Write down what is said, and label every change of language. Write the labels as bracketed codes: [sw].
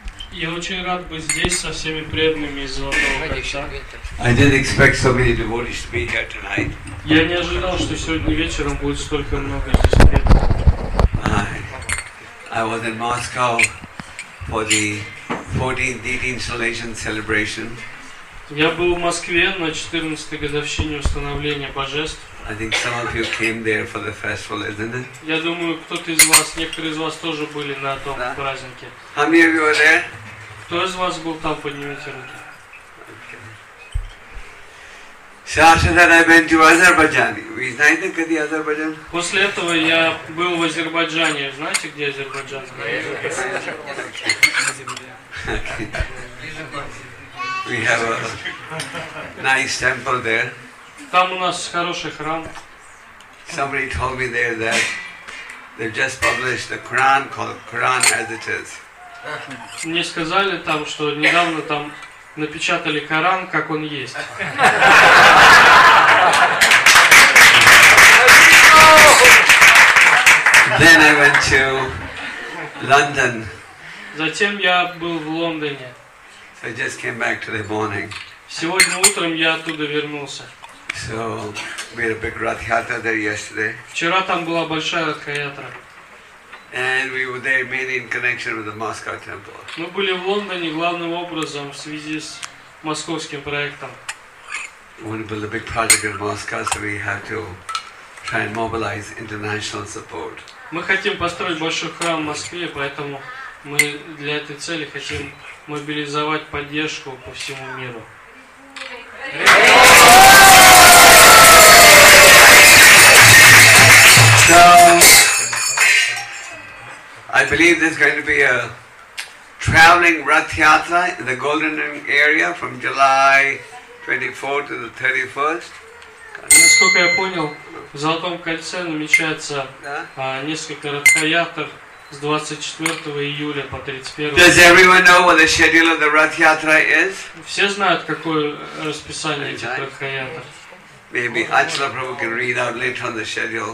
[ru] Я очень рад быть здесь со всеми преданными из Золотого Кольца. [en] I didn't expect so many devotees to be here tonight. [ru] Я не ожидал, что сегодня вечером будет столько много здесь преданных. [en] I was in Moscow for the 14th Deity Installation celebration. [ru] Я был в Москве на 14-й годовщине установления божеств. [en] I think some of you came there for the festival, isn't it? [ru] Я думаю, кто-то из вас, некоторые из вас тоже были на том празднике. [en] How many of you were there? [ru] Кто из вас был там, поднимите руки. [en] Okay. So I went to Azerbaijan. [ru] Вы знаете, где Азербайджан? После этого я был в Азербайджане. Знаете, где Азербайджан? [en] We have a nice temple there. [ru] Там у нас хороший храм. [en] Somebody told me there that they've just published a Quran called Quran as it is. [ru] Мне сказали там, что недавно там напечатали Коран, как он есть. [en] Then I went to London. [ru] Затем я был в Лондоне. [en] So I just came back today morning. [ru] Сегодня утром я оттуда вернулся. [en] So we had a big Rath Yatra there yesterday. [ru] Вчера там была большая Рath Yatra. [en] And we were there mainly in connection with the Moscow temple. [ru] Мы были в Лондоне главным образом в связи с московским проектом. [en] We want to build a big project in Moscow, so we have to try and mobilize international support. [ru] Мы хотим построить большой храм в Москве, поэтому мы для этой цели хотим мобилизовать поддержку по всему миру. [en] So, I believe there's going to be a traveling Rath Yatra in the Golden Ring area from July 24 to the 31st. [ru] Насколько я понял, в Золотом кольце намечается несколько Рath Yatr с 24 июля по 31. [en] Does everyone know what the schedule of the Rath Yatra is? [ru] Все знают, какое расписание этих Рath Yatr. [en] Maybe Achala Prabhu can read out later on the schedule.